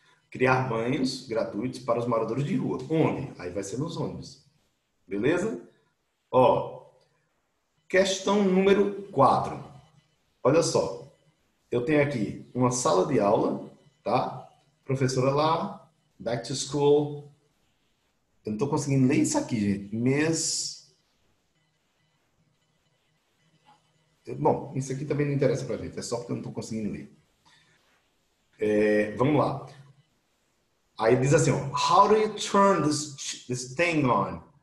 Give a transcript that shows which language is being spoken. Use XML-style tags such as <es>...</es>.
<pt>Criar banhos gratuitos para os moradores de rua. Onde? Aí vai ser nos ônibus. Beleza? Ó, questão número 4. Olha só. Eu tenho aqui uma sala de aula, tá? Professora lá,</pt> <en>back to school.</en> <pt>Eu não tô conseguindo ler isso aqui, gente. Bom, isso aqui também não interessa pra gente. É só porque eu não tô conseguindo ler. Vamos lá. Aí diz assim, ó,</pt> <en>how do you turn this thing on?</en>